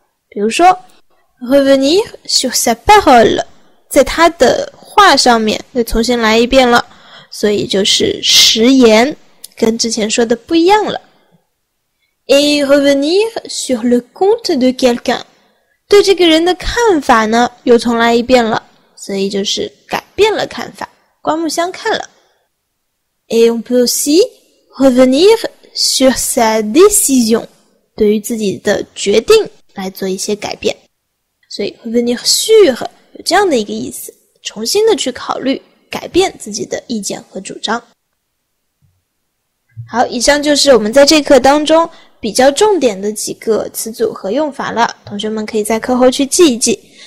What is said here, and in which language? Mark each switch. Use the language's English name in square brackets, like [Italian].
[Chinese] 比如说 [French] revenir sur sa parole， [Chinese] 在他的话上面再重新来一遍了，所以就是食言，跟之前说的不一样了。 [French] Et revenir sur le compte de quelqu'un， [Chinese] 对这个人的看法呢，又重来一遍了，所以就是改变了看法，刮目相看了。 [French] Et on peut aussi revenir sur sa décision， [Chinese] 对于自己的决定来做一些改变。所以 revenir sur 有这样的一个意思，重新的去考虑，改变自己的意见和主张。好，以上就是我们在这课当中比较重点的几个词组和用法了，同学们可以在课后去记一记。